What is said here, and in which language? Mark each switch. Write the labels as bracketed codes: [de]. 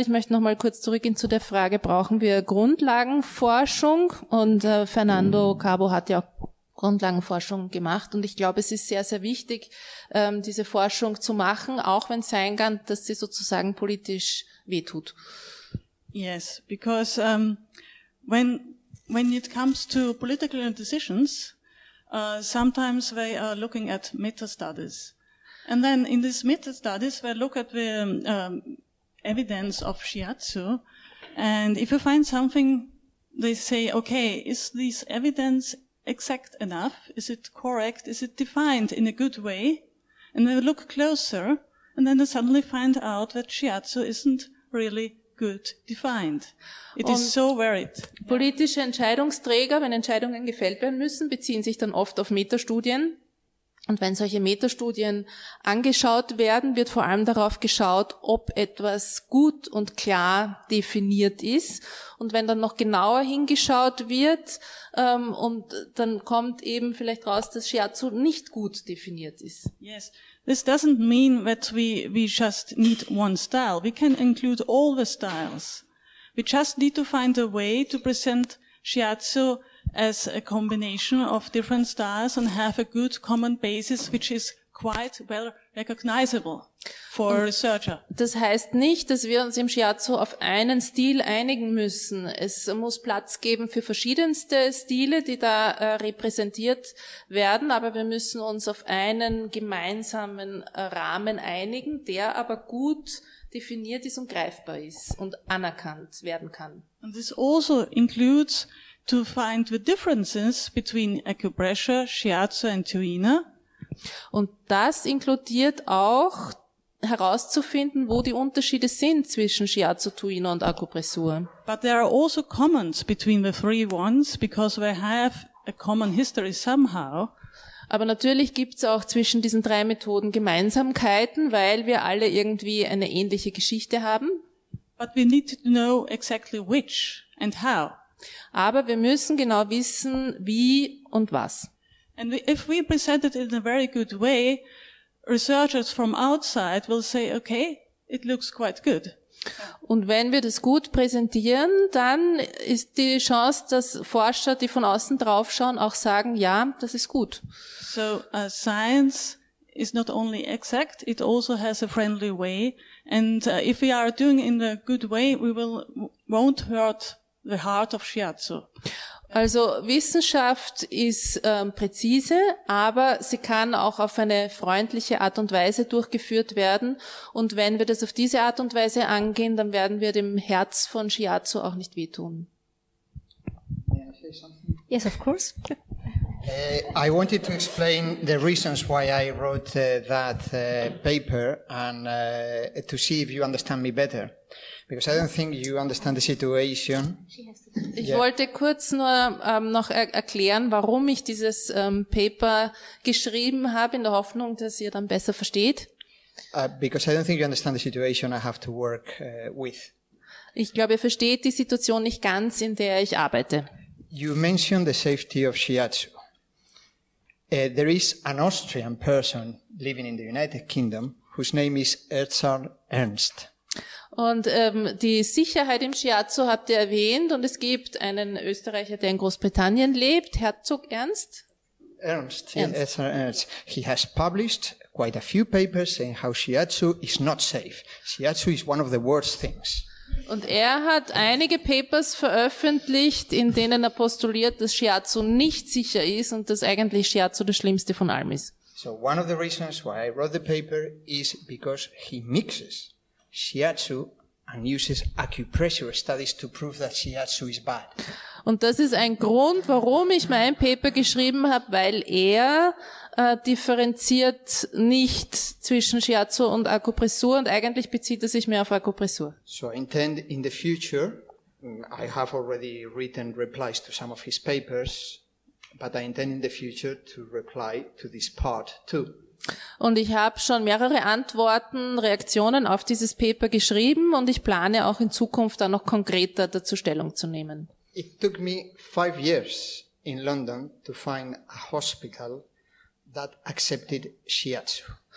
[de] Ich möchte noch mal kurz zurückgehen zu der Frage, brauchen wir Grundlagenforschung? Und Fernando Cabo hat ja auch Grundlagenforschung gemacht. Und ich glaube, es ist sehr, sehr wichtig, diese Forschung zu machen, auch wenn es sein kann, dass sie sozusagen politisch wehtut. [en] Yes, because when it comes to political decisions, sometimes we are looking at meta-studies. And then in these meta-studies, we look at the evidence of shiatsu. And if we find something, they say, okay, is this evidence exact enough? Is it correct? Is it defined in a good way? And they look closer, and then they suddenly find out that shiatsu isn't really good defined. It is so varied. [de] Politische Entscheidungsträger, wenn Entscheidungen gefällt werden müssen, beziehen sich dann oft auf Metastudien. Und wenn solche Metastudien angeschaut werden, wird vor allem darauf geschaut, ob etwas gut und klar definiert ist. Und wenn dann noch genauer hingeschaut wird, und dann kommt eben vielleicht raus, dass Shiatsu nicht gut definiert ist. [en] Yes, this doesn't mean that we just need one style. We can include all the styles. We just need to find a way to present Shiatsu as a combination of different styles and have a good common basis, which is quite well recognizable for a researcher. [de] Das heißt nicht, dass wir uns im Shiatsu auf einen Stil einigen müssen. Es muss Platz geben für verschiedenste Stile, die da repräsentiert werden, aber wir müssen uns auf einen gemeinsamen Rahmen einigen, der aber gut definiert ist und greifbar ist und anerkannt werden kann. [en] And this also includes to find the differences between acupressure, shiatsu and tuina. [de] Und das inkludiert auch herauszufinden, wo die Unterschiede sind zwischen shiatsu, tuina und Akupressur. [en] But there are also commons between the three ones because they have a common history somehow. [de] Aber natürlich gibt's auch zwischen diesen drei Methoden Gemeinsamkeiten, weil wir alle irgendwie eine ähnliche Geschichte haben. [en] But we need to know exactly which and how. [de] Aber wir müssen genau wissen, wie und was. [en] And if we present it in a very good way, researchers from outside will say, okay, it looks quite good. [de] Und wenn wir das gut präsentieren, dann ist die Chance, dass Forscher, die von außen drauf schauen, auch sagen, ja, das ist gut. [en] So, science is not only exact, it also has a friendly way. And if we are doing in a good way, we won't hurt the heart of Shiatsu. [de] Also Wissenschaft ist präzise, aber sie kann auch auf eine freundliche Art und Weise durchgeführt werden. Und wenn wir das auf diese Art und Weise angehen, dann werden wir dem Herz von Shiatsu auch nicht wehtun. [en] Yes, of course. I wanted to explain the reasons why I wrote that paper and to see if you understand me better. Because I don't think you understand the situation. [de] Ich wollte kurz nur noch erklären, warum ich dieses Paper geschrieben habe, in der Hoffnung, dass ihr dann besser versteht. [en] Because I don't think you understand the situation I have to work with. [de] Ich glaube, ihr versteht die Situation nicht ganz, in der ich arbeite. [en] You mentioned the safety of Shiatsu. There is an Austrian person living in the United Kingdom whose name is Erzarl Ernst. [de] Und die Sicherheit im Shiatsu habt ihr erwähnt und es gibt einen Österreicher, der in Großbritannien lebt, Herzog Ernst. Ernst. [en] He has published quite a few papers saying how Shiatsu is not safe. Shiatsu is one of the worst things. [de] Und er hat einige Papers veröffentlicht, in denen er postuliert, dass Shiatsu nicht sicher ist und dass eigentlich Shiatsu das Schlimmste von allem ist. [en] So one of the reasons why I wrote the paper is because he mixes Shiatsu and uses acupressure studies to prove that Shiatsu is bad. [de] Und das ist ein Grund, warum ich mein Paper geschrieben habe, weil er differenziert nicht zwischen Shiatsu und Akupressur und eigentlich bezieht er sich mehr auf Akupressur. [en] So I intend in the future, I have already written replies to some of his papers, but I intend in the future to reply to this part too. [de] Und ich habe schon mehrere Antworten, Reaktionen auf dieses Paper geschrieben und ich plane auch in Zukunft dann noch konkreter dazu Stellung zu nehmen. [en] It took me 5 years in London to find a hospital that accepted Shiatsu.